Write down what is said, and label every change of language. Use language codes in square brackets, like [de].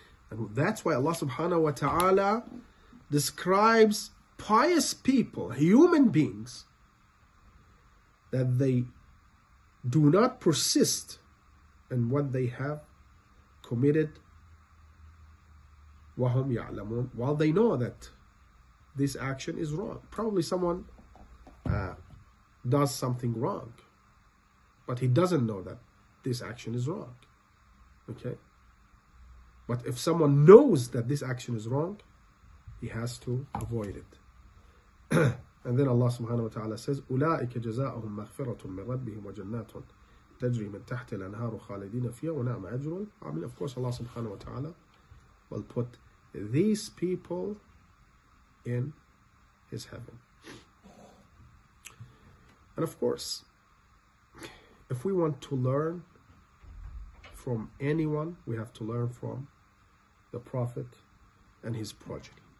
[en] And that's why Allah subhanahu wa ta'ala describes pious people, human beings, that they do not persist in what they have committed, [ar] وَهُمْ يَعْلَمُونَ, [en] while they know that this action is wrong. Probably someone does something wrong, but he doesn't know that this action is wrong. Okay? But if someone knows that this action is wrong, he has to avoid it. And then Allah subhanahu wa ta'ala says, [ar] أُولَٰئِكَ جَزَاءُهُمْ مَغْفِرَةٌ مِّن رَبِّهِمْ وَجَنَّاتٌ تَجْرِي مِن تَحْتِ الْأَنْهَارُ خَالِدِينَ فِيهَا وَنَعْمَ أَجْرُ الْعَامِلِينَ. [en] Of course, Allah subhanahu wa ta'ala will put these people in his heaven. And of course, if we want to learn from anyone, we have to learn from the Prophet and his progeny.